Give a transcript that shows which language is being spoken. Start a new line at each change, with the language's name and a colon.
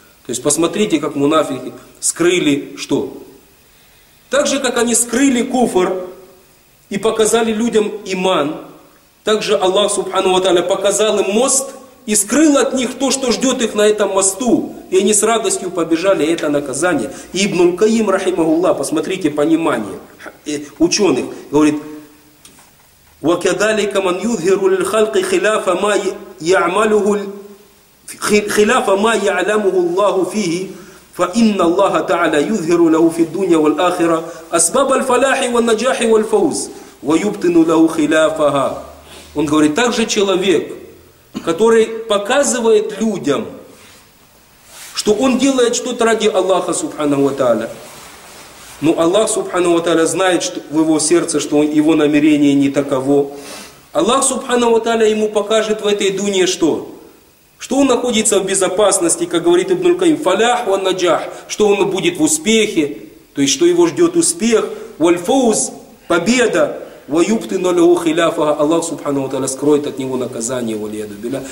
Russian: То есть посмотрите, как мунафики скрыли что? Так же, как они скрыли куфр и показали людям иман, так же Аллах Субхану Ва Тааля показал им мост и скрыл от них то, что ждет их на этом мосту. И они с радостью побежали, это наказание. И Ибнуль Каим, рахимахуллах, посмотрите понимание ученых, говорит:
Arabic: وكذلك من يظهر للخلق خلاف ما يعمله خلاف ما يعلمه الله فيه فإن الله تعالى يظهر له في الدنيا والآخرة أسباب الفلاح والنجاح والفوز ويبطن له خلافها.
Russian: Он говорит, также человек, который показывает людям, что он делает что-то ради Аллаха Субханаху ва Тааля, но Аллах Субханаху ва Тааля знает что в его сердце, что его намерение не таково. Аллах Субханаху ва Тааля ему покажет в этой дуне что? Что он находится в безопасности, как говорит Ибнуль Каим, фалях ва наджах, что он будет в успехе, то есть что его ждет успех, вальфауз, победа, ваюбтыну лаху хиляфа, Аллах Субханаху ва Тааля скроет от него наказание, валиаду билля.